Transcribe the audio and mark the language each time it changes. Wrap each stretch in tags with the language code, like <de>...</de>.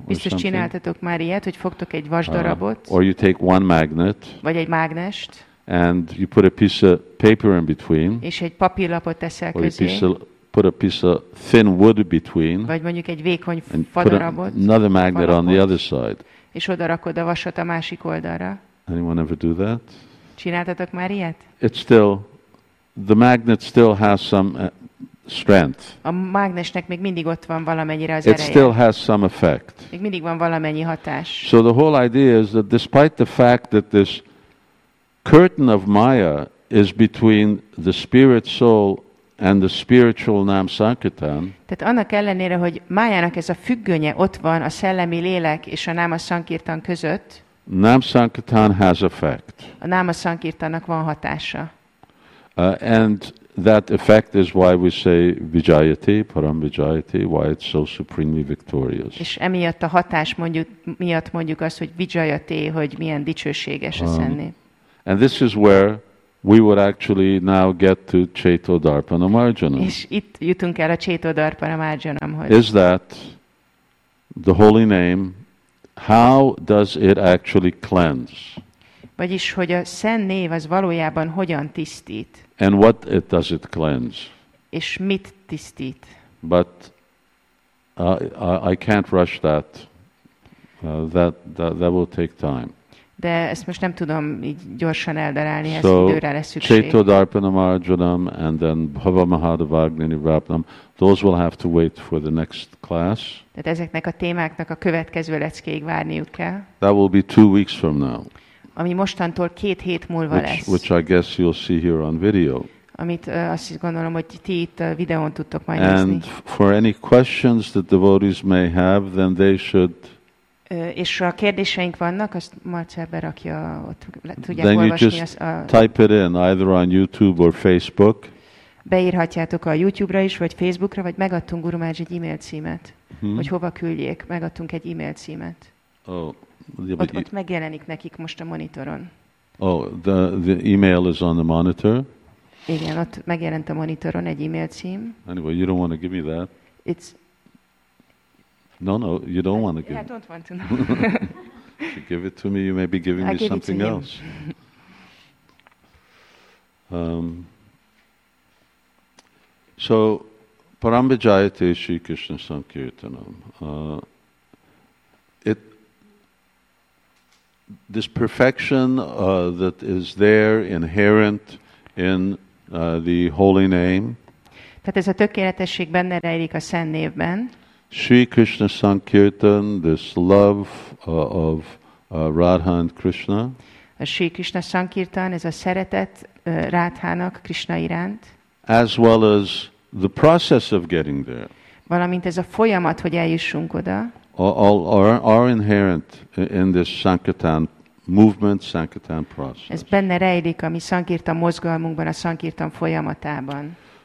<hu>Biztos csináltatok már ilyet, hogy fogtok egy vasdarabot.</hu> <en>Or you take one magnet.</en> <hu>Vagy egy mágnest.</hu> <en>And you put a piece of paper in between.</en> <hu>És egy papírlapot teszel</hu> <en>or</en> <hu>közé.</hu> <en>Put a piece of thin wood between.</en> <hu>Vagy mondjuk egy vékony fadarabot.</hu> <en>Another magnet on the other side.</en> <hu>És oda rakod a vasat a másik oldalra.</hu> <en>Anyone ever do that?</en> <hu>Csináltatok már ilyet?</hu> <en>It's still, the magnet still has some strength.</en> <hu>A mágnesnek még mindig ott van valamennyire az ereje.</hu> <en>It still has some effect.</en> <hu>Még mindig van valamennyi hatás.</hu> <en>So the whole idea is that despite the fact that this curtain of Maya is between the spirit soul and the spiritual nam sankirtan.</en> <hu>Tehát annak ellenére, hogy Mayának ez a függönye ott van a szellemi lélek és a náma sankirtan között.</hu> <en>Nam sankirtan has effect.</en> <hu>A náma sankirtannak van hatása.</hu> <en>And that effect is why we say vijayati, param vijayati, why it's so supremely victorious.</en> <hu>És emiatt a hatás miatt mondjuk azt, hogy vijayati, hogy milyen dicsőséges a szenné.</hu> <en>And this is where we would actually now get to Chaitodarpana Marjanam.</en> <hu>És itt jutunk el a Chaitodarpana Marjanamhoz.</hu> <en>Is that the holy name, how does it actually cleanse?</en> <hu>Vagyis, hogy a szent név az valójában hogyan tisztít?</hu> <en>And what it does it cleanse?</en> <hu>És mit tisztít?</hu> <en>But I can't rush that. That will take time.</en> <hu>De ezt most nem tudom így gyorsan eldarálni,</hu> <en>so,</en> <hu>ezt időre lesz szükség.</hu> <en>Chaitodarpana Marjanam and then Bhava Mahadvagni Nirvapnam, those will have to wait for the next class.</en> <hu>Tehát ezeknek a témáknak a következő leckéig várniuk kell.</hu> <en>That will be 2 weeks from now.</en> <hu>Ami mostantól 2 hét múlva lesz.</hu> <en>Which I guess you'll see here on video.</en> <hu>Amit azt is gondolom, hogy ti itt a videón tudtok majd nézni.</hu> <en>And for any questions that devotees may have, then they should...</en> <hu>És ha kérdéseink vannak, azt Marcel berakja, ott tudják olvasni.</hu> <en>Then you just type it in, either on YouTube or Facebook.</en> <hu>Beírhatjátok a YouTube-ra is, vagy Facebook-ra, vagy megadtunk Guru Mahārāj egy e-mail címet. Hmm. Hogy hova küldjék, megadtunk egy e-mail címet. Oh. Ott megjelenik nekik most a monitoron.</hu> <en>Oh, the email is on the monitor.</en> <hu>Igen, ott megjelent a monitoron egy e-mail cím.</hu> <en>Anyway, you don't want to give me that. It's. No, you don't want to give. I don't want to know. If you give it to me, you may be giving I'll me something else. So, Param Vijayate Shri Krishna Sankirtanam. This perfection that is there inherent in the holy name.</en> <hu>Tehát ez a tökéletesség benne rejlik a szent névben.</hu> <en>Sri Krishna Sankirtan, this love of Radha and Krishna.</en> <hu>A Sri Krishna Sankirtan, ez a szeretet Rádhának, Krishna iránt.</hu> <en>As well as the process of getting there.</en> <hu>Valamint ez a folyamat, hogy eljussunk oda.</hu> <en>All are inherent in this sankirtan movement, sankirtan process.</en> <hu>Ez benne rejlik a mi sankirtan mozgalmunkban, a sankirtan folyamatában.</hu>